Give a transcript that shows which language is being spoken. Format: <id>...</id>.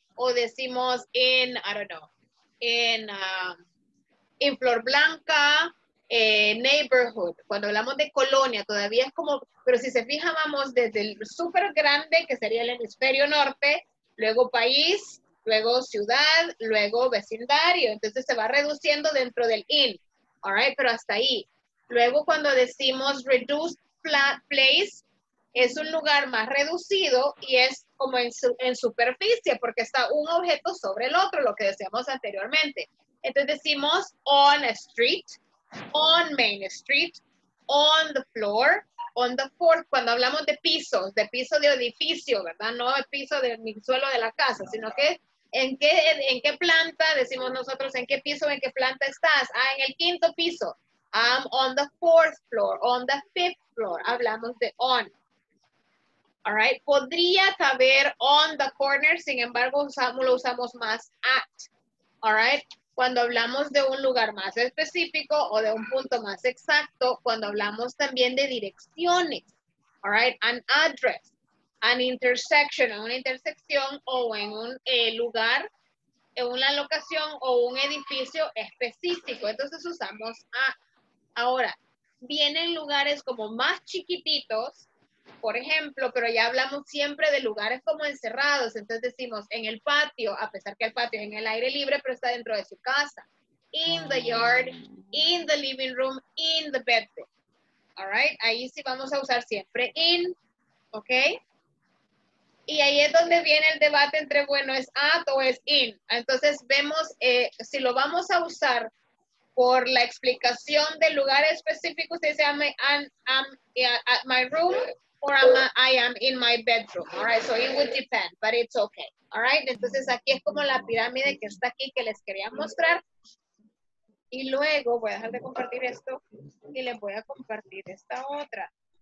<es>o decimos</es> <en>in, I don't know, in, in Flor Blanca, neighborhood.</en> <es>Cuando hablamos de colonia, todavía es como, pero si se fija, vamos desde el súper grande, que sería el hemisferio norte, luego país, luego ciudad, luego vecindario. Entonces se va reduciendo dentro del in.</es> <en>All right,</en> <es>pero hasta ahí. Luego cuando decimos</es> <en>reduced place,</en> <es>es un lugar más reducido y es como en superficie, porque está un objeto sobre el otro, lo que decíamos anteriormente. Entonces decimos</es> <en>on a street, on Main Street, on the floor, on the fourth,</en> <es>cuando hablamos de pisos, de piso de edificio, ¿verdad? No el piso del suelo de la casa, sino que en qué planta, decimos nosotros, en qué piso, en qué planta estás. Ah, en el quinto piso.</es> <en>I'm on the fourth floor, on the fifth floor.</en> <es>Hablamos de on.</es> <en>All right.</en> <es>Podría caber</es> <en>on the corner,</en> <es>sin embargo, lo usamos más at. All right. Cuando hablamos de un lugar más específico o de un punto más exacto, cuando hablamos también de direcciones,</es> <en>all right, an address, an intersection,</en> <es>una intersección o en un lugar, en una locación o un edificio específico. Entonces usamos a. Ahora, vienen lugares como más chiquititos, por ejemplo, pero ya hablamos siempre de lugares como encerrados. Entonces decimos en el patio, a pesar que el patio es en el aire libre, pero está dentro de su casa.</es> <en>In the yard, in the living room, in the bedroom. All right,</en> <es>ahí sí vamos a usar siempre in, ¿ok? Y ahí es donde viene el debate entre, bueno, ¿es at o es in? Entonces vemos, si lo vamos a usar por la explicación del lugar específico, usted dice,</es> <en>I'm at my room, or I am in my bedroom, all right? So it would depend, but it's okay, all right?</en> <es>Entonces aquí es como la pirámide que está aquí, que les quería mostrar. Y luego voy a dejar de compartir esto y les voy a compartir esta otra.</es>